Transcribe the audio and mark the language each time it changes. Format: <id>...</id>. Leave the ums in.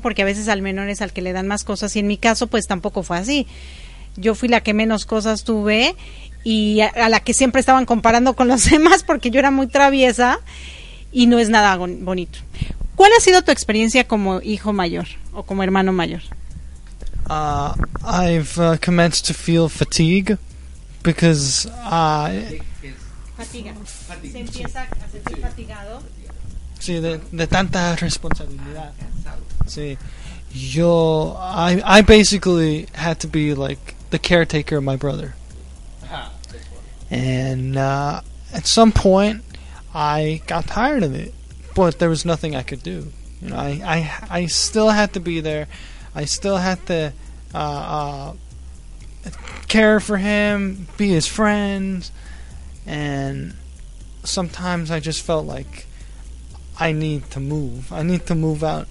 <es>Porque a veces al menor es al que le dan más cosas y en mi caso, pues tampoco fue así. Yo fui la que menos cosas tuve y a, a la que siempre estaban comparando con los demás porque yo era muy traviesa y no es nada bonito. ¿Cuál ha sido tu experiencia como hijo mayor o como hermano mayor?</es> <en>Uh, I've uh, commenced to feel fatigue because I...</en> <es>Fatiga. Se empieza a sentir fatigado. Sí, de, de tanta responsabilidad. Sí.</es> <en>Yo, I, I basically had to be like the caretaker of my brother. And uh, at some point, I got tired of it, but there was nothing I could do. You know, I, I, I still had to be there. I still had to uh, uh, care for him, be his friend and sometimes I just felt like I need to move. I need to move out.</en>